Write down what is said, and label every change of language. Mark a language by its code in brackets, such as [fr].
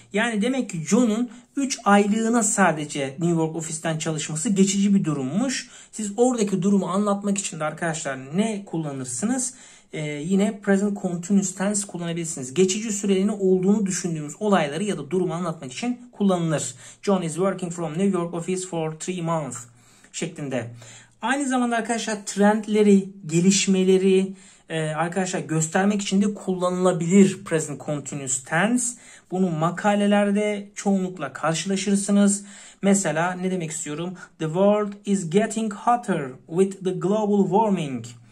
[tr] Yani demek ki John'un 3 aylığına sadece New York ofisten çalışması geçici bir durummuş. Siz oradaki durumu anlatmak için de arkadaşlar ne kullanırsınız? Yine present continuous tense kullanabilirsiniz. Geçici süreliğine olduğunu düşündüğümüz olayları ya da durumu anlatmak için kullanılır. [en] John is working from New York office for 3 months [tr] şeklinde. Aynı zamanda arkadaşlar trendleri, gelişmeleri arkadaşlar göstermek için de kullanılabilir present continuous tense. Bunu makalelerde çoğunlukla karşılaşırsınız. Mesela ne demek istiyorum? [en] The world is getting hotter with the global warming.